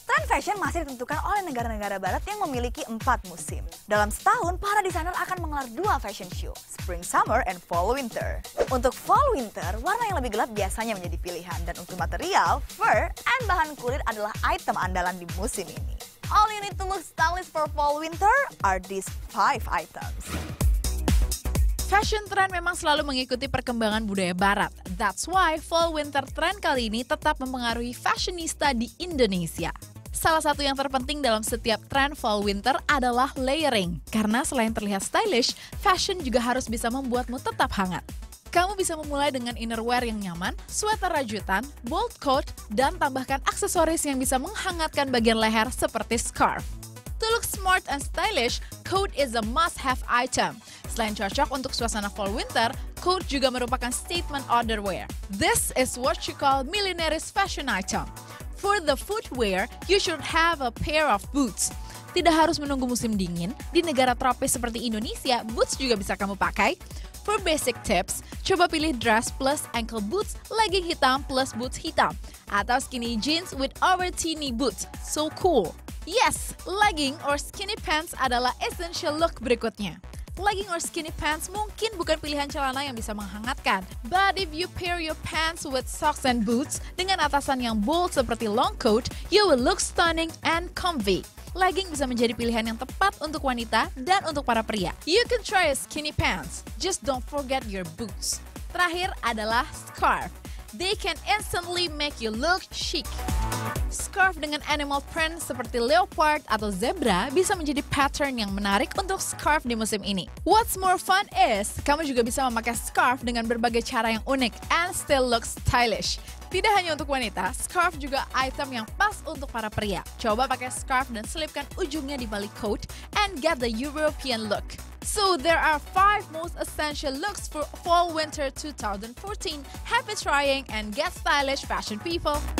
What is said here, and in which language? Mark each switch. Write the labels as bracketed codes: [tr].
[id] Trend fashion masih ditentukan oleh negara-negara barat yang memiliki 4 musim. Dalam setahun, para desainer akan menggelar 2 fashion show, Spring Summer and Fall Winter. Untuk Fall Winter, warna yang lebih gelap biasanya menjadi pilihan. Dan untuk material, fur and bahan kulit adalah item andalan di musim ini. [en] All you need to look stylish for Fall Winter are these 5 items. [id] Fashion trend memang selalu mengikuti perkembangan budaya barat. [en] That's why [id] fall winter trend kali ini tetap mempengaruhi fashionista di Indonesia. Salah satu yang terpenting dalam setiap trend fall winter adalah layering. Karena selain terlihat stylish, fashion juga harus bisa membuatmu tetap hangat. Kamu bisa memulai dengan innerwear yang nyaman, sweater rajutan, bold coat, dan tambahkan aksesoris yang bisa menghangatkan bagian leher seperti scarf. [en] To look smart and stylish, coat is a must-have item. [id] Selain cocok untuk suasana fall winter, coat juga merupakan statement underwear. [en] This is what you call millionaire's fashion item. For the footwear, you should have a pair of boots. [id] Tidak harus menunggu musim dingin, di negara tropis seperti Indonesia, boots juga bisa kamu pakai. [en] For basic tips, [id] coba pilih [en] dress plus ankle boots, legging [id] hitam [en] plus boots hitam, [id] atau [en] skinny jeans with over teeny boots. So cool! Yes, legging or skinny pants [id] adalah [en] essential look [id] berikutnya. [en] Legging or skinny pants [id] mungkin bukan pilihan celana yang bisa menghangatkan. [en] But if you pair your pants with socks and boots [id] dengan atasan yang bold seperti [en] long coat, you will look stunning and comfy. [id] Legging bisa menjadi pilihan yang tepat untuk wanita dan untuk para pria. [en] You can try a skinny pants, just don't forget your boots. [id] Terakhir adalah [en] scarf. They can instantly make you look chic. [id] Scarf dengan animal print seperti leopard atau zebra bisa menjadi pattern yang menarik untuk scarf di musim ini. [en] What's more fun is, [id] kamu juga bisa memakai scarf dengan berbagai cara yang unik [en] and still look stylish. [id] Tidak hanya untuk wanita, scarf juga item yang pas untuk para pria. Coba pakai scarf dan selipkan ujungnya di balik coat [en] and get the European look. So there are 5 most essential looks for fall winter 2014. Happy trying and get stylish, fashion people!